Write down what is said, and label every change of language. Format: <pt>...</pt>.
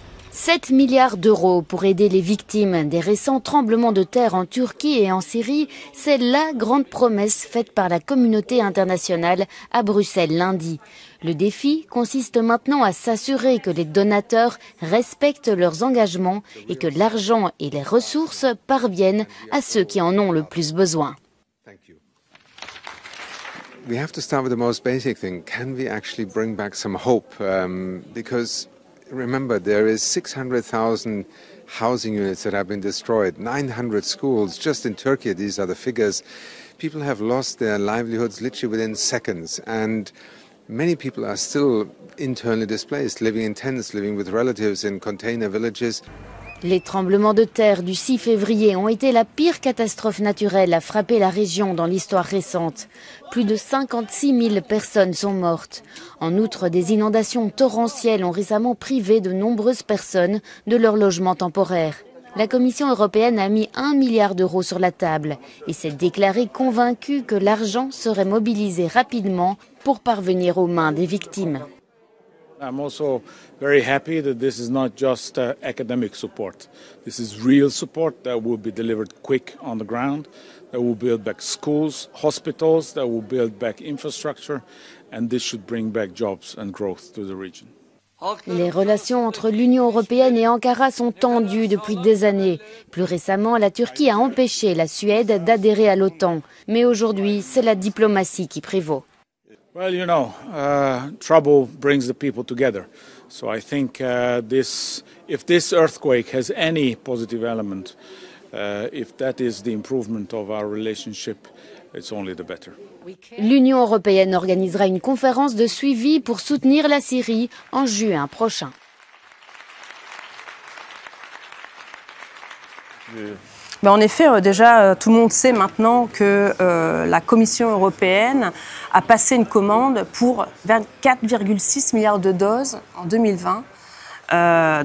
<fr>7 milliards d'euros pour aider les victimes des récents tremblements de terre en Turquie et en Syrie, c'est la grande promesse faite par la communauté internationale à Bruxelles lundi. Le défi consiste maintenant à s'assurer que les donateurs respectent leurs engagements et que l'argent et les ressources parviennent à ceux qui en ont le plus besoin.</fr> <en>We have to start with the most basic thing. Can we actually bring back some hope? Because remember, there is 600,000 housing units that have been destroyed, 900 schools just in Turkey. These are the figures. People have lost their livelihoods literally within seconds, and many people are still internally displaced, living in tents, living with relatives in container villages.</en> <fr>Les tremblements de terre du 6 février ont été la pire catastrophe naturelle à frapper la région dans l'histoire récente. Plus de 56 000 personnes sont mortes. En outre, des inondations torrentielles ont récemment privé de nombreuses personnes de leur logement temporaire. La Commission européenne a mis 1 milliard d'euros sur la table et s'est déclarée convaincue que l'argent serait mobilisé rapidement pour parvenir aux mains des victimes.</fr> <en>I'm also very happy that this is not just academic support. This is real support that will be delivered quick on the ground, that will build back schools, hospitals, that will build back infrastructure, and this should bring back jobs and growth to the region.</en> <fr>Les relations entre l'Union européenne et Ankara sont tendues depuis des années. Plus récemment, la Turquie a empêché la Suède d'adhérer à l'OTAN. Mais aujourd'hui, c'est la diplomatie qui prévaut.</fr> <en>Well, you know, trouble brings the people together. So I think if this earthquake has any positive element, if that is the improvement of our relationship, it's only the better.</en> <fr>L'Union européenne organisera une conférence de suivi pour soutenir la Syrie en juin prochain. Ben en effet, déjà, tout le monde sait maintenant que la Commission européenne a passé une commande pour 24,6 milliards de doses en 2020.</fr>